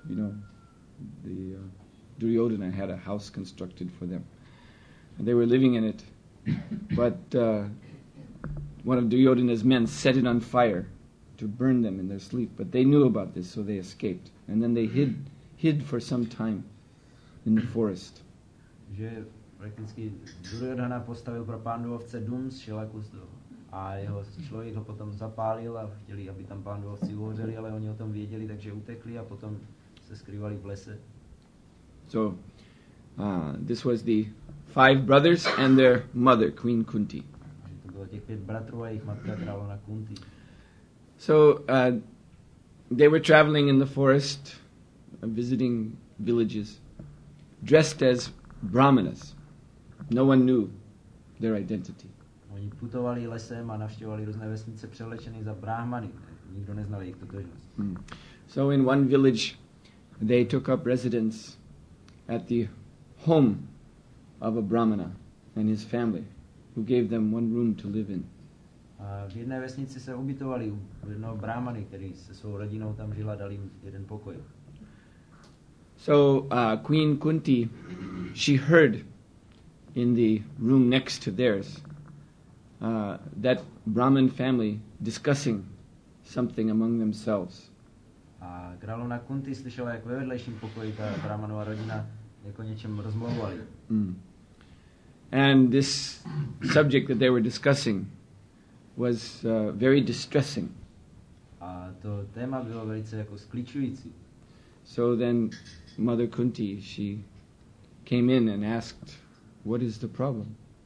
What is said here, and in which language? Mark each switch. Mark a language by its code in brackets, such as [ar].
[en] You know, the Duryodhana had a house constructed for them. and they were living in it. But one of Duryodhana's men set it on fire to burn them in their sleep. But they knew about this, so they escaped. And then they hid for some time in the forest. [cs] Že prakticky Duryodhana postavil pro pánduovce dům z šelaku a jeho člověk ho potom zapálil a chtěli, aby tam pánduovci uhořeli, ale oni o tom věděli, takže utekli a potom se skrývali v lese. [en] So, this was the five brothers and their mother, Queen Kunti. [cs] To bylo těch pět bratrů a jejich matka královna Kunti. [en] So, they were traveling in the forest, visiting villages, dressed as brahmanas. No one knew their identity. [cs] Oni putovali lesem a navštěvovali různé vesnice převlečený za brahmany. Nikdo neznal jejich totožnost. Mm. [en] So in one village, they took up residence at the home of a brahmana and his family, who gave them one room to live in. [cs] A v jedné vesnici se ubytovali u jednoho brahmany, který se svou rodinou tam žil a dal jim jeden pokoj. [en] So Queen Kunti, she heard in the room next to theirs that Brahmin family discussing something among themselves. [cs] A královna Kunti slyšela, jak ve vedlejším pokoji ta brahmanova rodina jako něčem rozmlouvali. Mm. [en] And this subject that they were discussing was very distressing. [cs] A to téma bylo velice jako skličující. [en] So then Mother Kunti, she came in and asked, "What is the problem?"